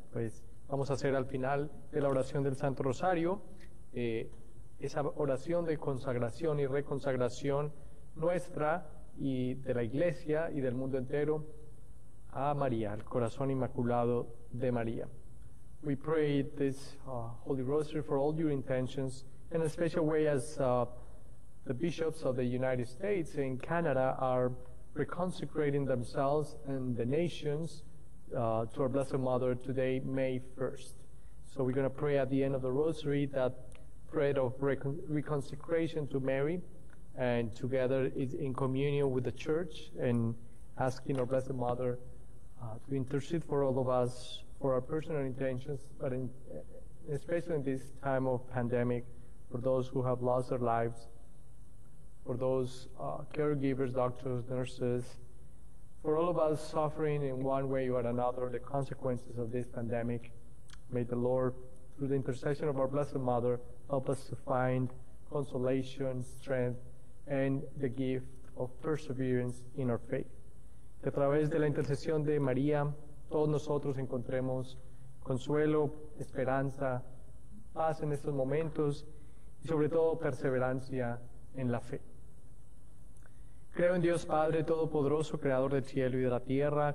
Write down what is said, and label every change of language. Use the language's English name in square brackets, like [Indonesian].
[Spanish] Pues vamos a hacer al final de la oración del Santo Rosario esa oración de consagración y reconsagración nuestra y de la Iglesia y del mundo entero a María, al corazón inmaculado de María. [English] We pray this Holy Rosary for all your intentions, in a special way as the bishops of the United States in Canada are reconsecrating themselves and the nations to our Blessed Mother today, May 1st. So we're going to pray at the end of the rosary that prayer of reconsecration to Mary, and together is in communion with the Church and asking our Blessed Mother to intercede for all of us for our personal intentions, but especially in this time of pandemic, for those who have lost their lives, for those caregivers, doctors, nurses, for all of us suffering in one way or another the consequences of this pandemic, may the Lord, through the intercession of our Blessed Mother, help us to find consolation, strength, and the gift of perseverance in our faith. [Spanish] Que a través de la intercesión de María, todos nosotros encontremos consuelo, esperanza, paz en estos momentos, y sobre todo perseverancia en la fe. Creo en Dios Padre Todopoderoso, Creador del cielo y de la tierra.